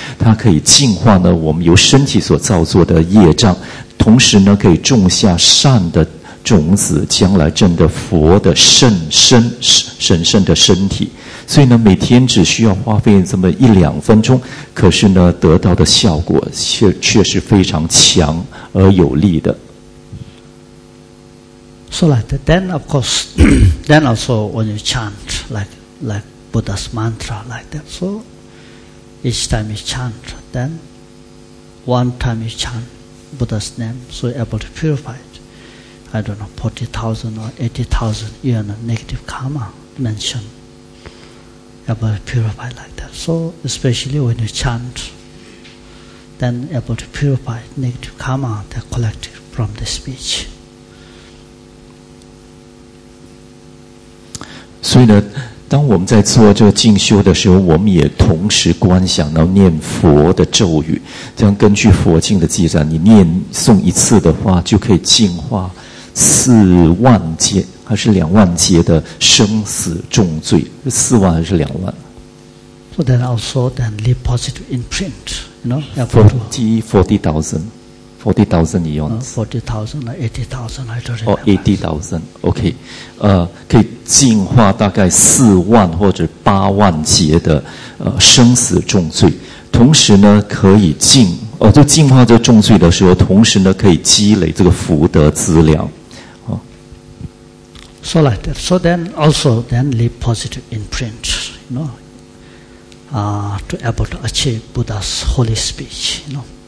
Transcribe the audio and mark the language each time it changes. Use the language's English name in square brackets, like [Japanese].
[Chinese] 它可以净化呢我们由身体所造作的业障，同时呢可以种下善的种子，将来证得佛的神圣的身体。所以呢，每天只需要花费这么1-2分钟，可是呢得到的效果却是非常强而有力的。 [English] So like that, then of course, then also when you chant like Buddha's mantra like that. So each time you chant, then one time you chant Buddha's name, so you're able to purify it. I don't know, 40,000 or 80,000 yuan of negative karma mentioned, able to purify like that. So especially when you chant, then able to purify negative karma that collected from the speech. [Chinese] 所以呢，当我们在做这个进修的时候，我们也同时观想到念佛的咒语。这样根据佛经的记载，你念诵一次的话，就可以净化2万劫的生死重罪。 4万还是2万？ [English] So then also then leave positive imprint, you know. Forty thousand, eighty thousand, I don't remember. [Chinese] 可以净化大概4万或者8万劫的生死重罪，同时呢可以净化这重罪的时候，同时呢可以积累这个福德资粮。 [English] So like that. So then also then leave positive imprint, you know, to able to achieve Buddha's holy speech, you know.